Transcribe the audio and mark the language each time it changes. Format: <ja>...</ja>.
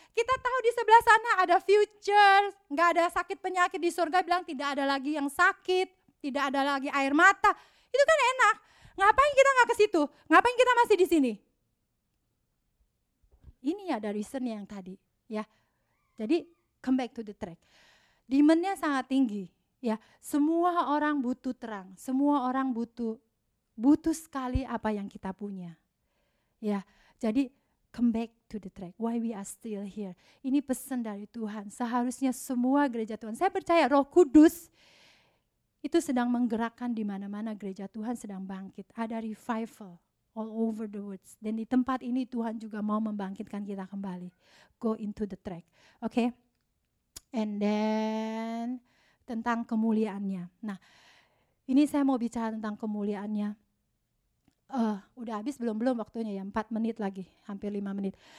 <id>Kita tahu di sebelah sana ada future, enggak ada sakit penyakit, di surga bilang tidak ada lagi yang sakit, tidak ada lagi air mata. Itu kan enak. Ngapain kita enggak ke situ? Ngapain kita masih di sini? Ini ya dari reason yang tadi, ya. Jadi</id> <en>come back to the track.</en> <id>Demand-nya sangat tinggi, ya. Semua orang butuh terang, semua orang butuh sekali apa yang kita punya. Ya.</id> <en>Jadi come back to the track. Why we are still here?</en> <id>Ini pesan dari Tuhan. Seharusnya semua gereja Tuhan, saya percaya Roh Kudus itu sedang menggerakkan di mana-mana gereja Tuhan sedang bangkit. Ada</id> <en>revival all over the world.</en> <id>Dan di tempat ini Tuhan juga mau membangkitkan kita kembali.</id> <en>Go into the track. Okay? And then</en> <id>tentang kemuliaannya. Nah, ini saya mau bicara tentang kemuliaannya. Udah habis belum waktunya ya, 4 menit lagi, hampir 5 menit.</id>